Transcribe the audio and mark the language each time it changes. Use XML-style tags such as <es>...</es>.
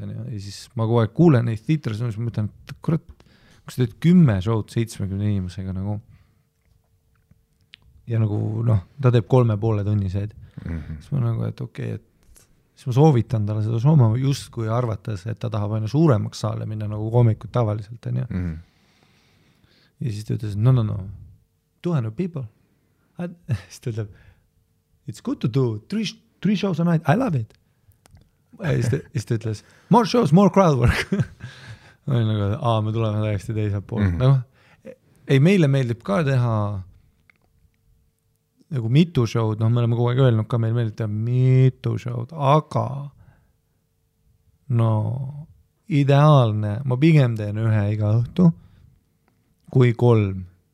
<et>Ja siis ma kogu aeg kuulen neid theaters, ja siis ma mõtlen, et kurat, kui sa teed 10 showd 70 inimesega nagu, ja nagu, noh, ta teeb 3,5 tunniseid. Mm-hmm. Siis ma nagu, et okei, okay, et siis ma soovitan talle seda sooma just kui arvates, et ta tahab aina suuremaks saale minna nagu komikud tavaliselt. Ja, mm-hmm. ja siis ta ütles,</et> <en>no, no, no, 200 people.</en> <et>Siis ta ütleb,</et> <en>it's good to do three shows a night. I love it.</en> <et>Siis ta ütles,</et> <en>more shows, more crowd work.</en> <et>Ma olin nagu, aah, me tuleme täiesti teisel pool. Mm-hmm. Nagu, ei, meile meeldib ka teha nagu mitu showd, noh, me oleme kogu aeg öelnud ka, meil meeldite mitu showd, aga no ideaalne, ma pigem teen ühe iga õhtu kui kolm.</et>